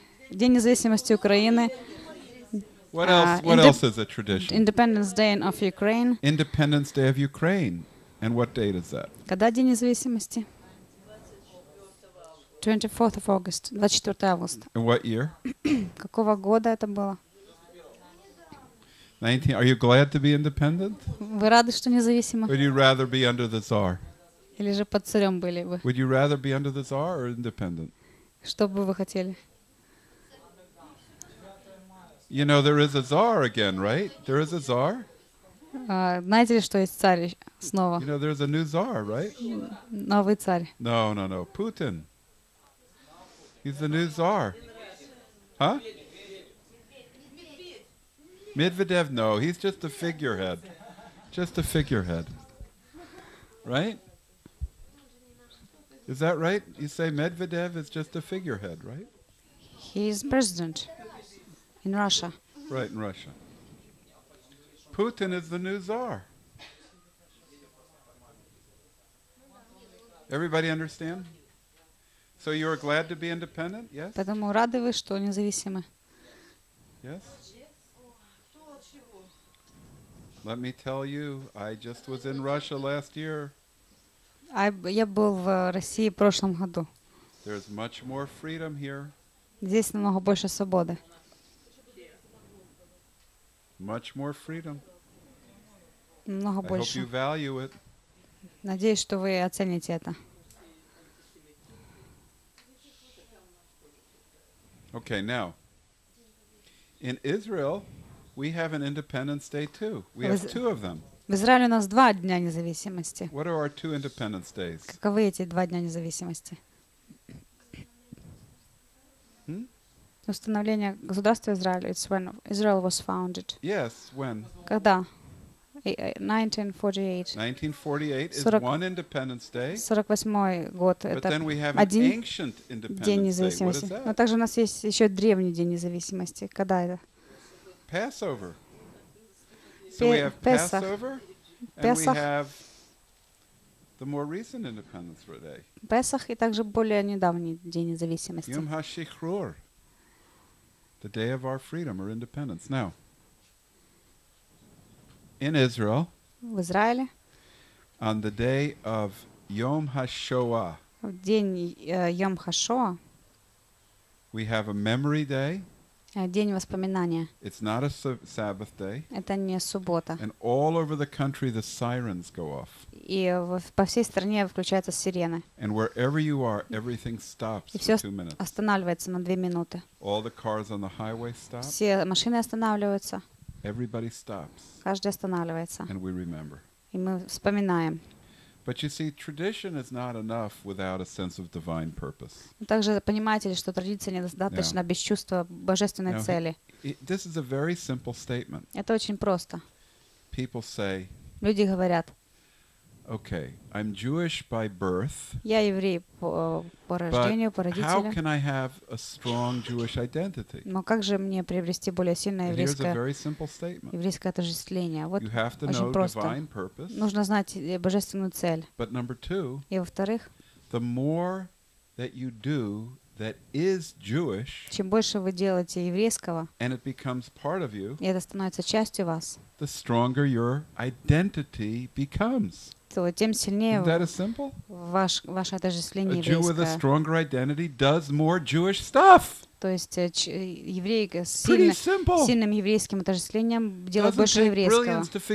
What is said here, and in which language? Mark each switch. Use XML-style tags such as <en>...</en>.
<ru>День независимости Украины.</ru> <en>What else? What else is a tradition? Independence Day of Ukraine. Independence Day of Ukraine, and what date is that?</en> <ru>Когда день независимости?</ru> <en>24th of August. 24th August. In what year?</en> <ru>Какого года это было?</ru> <en>19. Are you glad to be independent?</en> <ru>Вы рады, что независимы?</ru> <en>Would you rather be under the Tsar?</en> <ru>Или же под царем были бы?</ru> <en>Would you rather be under the Tsar or independent?</en> <ru>Что бы вы хотели?</ru> <en>You know there is a czar again, right? There is a czar.</en> <ru>Знаете ли, что есть царь снова?</ru> <en>You know there is a new czar, right?</en> <ru>Новый царь.</ru> <en>No. Putin. He's the new czar, huh? Medvedev. No, he's just a figurehead. Just a figurehead. Right? Is that right? You say Medvedev is just a figurehead, right? He's president. In Russia. Right, in Russia. Putin is the new czar. Everybody understand? So you are glad to be independent, yes?</en> <ru>Поэтому рады вы, что независимы.</ru> <en>Yes? Let me tell you, I just was in Russia last year.</en> <ru>Я был в России в прошлом году.</ru> <en>There's much more freedom here.</en> <ru>Здесь намного больше свободы.</ru> <en>Much more freedom.</en> <ru>Много</ru> <en>I</en> <ru>больше.</ru> <en>Hope you value it.</en> <ru>Надеюсь, что вы оцените это.</ru> <en>Okay, now. In Israel, we have an independence day too. We have two of them.</en> <ru>В Израиле у нас два дня независимости.</ru> <en>What are our two independence days?</en> <ru>Каковы эти два дня независимости? Установление государства Израиля.</ru> <en>It's when Israel was founded. Yes, when?</en> <ru>Когда? 1948</ru> <en>is one independence day.</en> <ru>48-й год.</ru> <en>But then we have an ancient independence day. What is that?</en> <ru>Но также у нас есть еще древний день независимости. Когда это?</ru> <en>Passover. So we have Passover.</en> <ru>Песах.</ru> <en>And we have the more recent independence day.</en> <ru>Песах и также более недавний день независимости.</ru> <en>Йом ха-шихрур. The day of our freedom or independence. Now, in Israel,</en> <ru>в Израиле,</ru> <en>on the day of Yom HaShoah,</en> <ru>в день Йом ха-Шоа,</ru> <en>we have a memory day.</en> <ru>День воспоминания.</ru> <en>It's not a Sabbath day.</en> <ru>Это не суббота.</ru> <en>And all over the country, the sirens go off.</en> <ru>И по всей стране включаются сирены.</ru> <en>And wherever you are, everything stops for 2 minutes.</en> <ru>И все останавливается на 2 минуты.</ru> <en>All the cars on the highway stop.</en> <ru>Все машины останавливаются.</ru> <en>Everybody stops.</en> <ru>Каждый останавливается.</ru> <en>And we remember.</en> <ru>И мы вспоминаем.</ru> <en>But you see, tradition is not enough without a sense of divine purpose.</en> <ru>Также понимаете ли, что традиция недостаточна без чувства божественной цели?</ru> <en>This is a very simple statement.</en> <ru>Это очень просто.</ru> <en>People say.</en> <ru>Люди говорят.</ru> <en>Okay, I'm Jewish by birth.</en> <ru>Я еврей по рождению, по родителям.</ru> <en>But how can I have a strong Jewish identity?</en> <ru>Но как же мне приобрести более сильное еврейское?</ru> <en>Here's a very simple statement.</en> <ru>Еврейское отождествление. Вот очень просто.</ru> <en>You have to know divine purpose.</en> <ru>Нужно знать божественную цель.</ru> <en>But number two.</en> <ru>И во-вторых.</ru> <en>The more that you do that is Jewish.</en> <ru>Чем больше вы делаете еврейского.</ru> <en>And it becomes part of you.</en> <ru>И это становится частью вас.</ru> <en>The stronger your identity becomes.</en> <ru>То тем сильнее ваше отождествление еврейское.</ru> <en>A Jew with a stronger identity does more Jewish stuff.</en> <ru>То есть евреи с сильным еврейским отождествлением делают больше еврейского.</ru>